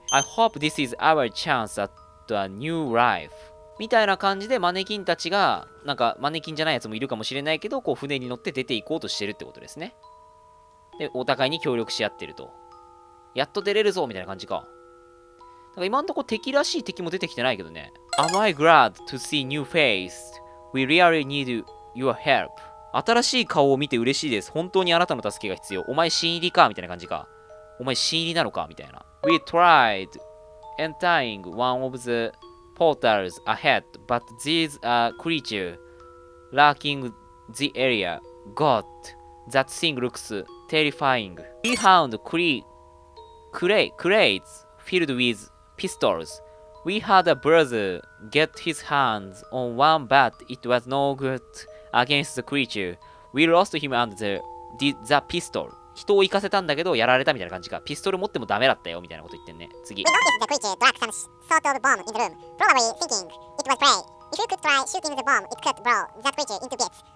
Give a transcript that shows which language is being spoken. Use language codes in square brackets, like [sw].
[en] I hope this is our chance at a new life. [ja] みたいな感じでマネキンたちが、なんかマネキンじゃないやつもいるかもしれないけど、こう船に乗って出ていこうとしてるってことですね。で、お互いに協力し合ってると。やっと出れるぞみたいな感じか。だから今んとこ敵らしい敵も出てきてないけどね。 [en] Am I glad to see new face? We really need your help. [ja] 新しい顔を見て嬉しいです。本当にあなたの助けが必要。お前新入りかみたいな感じか。お前新入りなのかみたいな。 [en] We tried entering one of the portals ahead, but these are creatures lurking the area. God, that thing looks terrifying. We found crates filled with pistols. We had a brother get his hands on one, but it was no good against the creature. We lost him and the pistol. [ja] 人を行かせたんだけどやられたみたいな感じか。ピストル持ってもダメだったよみたいなこと言ってんね。次。 [en] We noticed the creature drag some sort of bomb in the room. Probably thinking it was prey. If you could try shooting the bomb, it could blow that creature into bits.